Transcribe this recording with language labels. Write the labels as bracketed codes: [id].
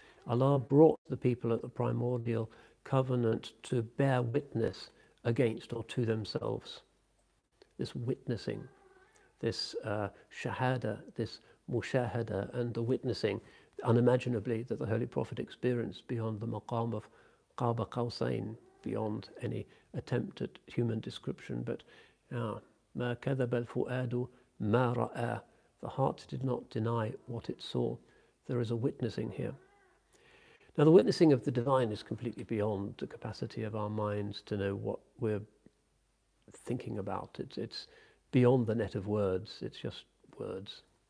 [en] Allah brought the people at the primordial covenant to bear witness against or to themselves. This witnessing, this shahada, this mushahada, and the witnessing unimaginably that the Holy Prophet experienced beyond the maqam of Qaba Qawsain, beyond any attempt at human description. [ar] But مَا كَذَبَ الْفُؤَادُ مَا رَأَىٰ. [en] The heart did not deny what it saw. There is a witnessing here. Now, the witnessing of the divine is completely beyond the capacity of our minds to know what we're thinking about. It's beyond the net of words. It's just words.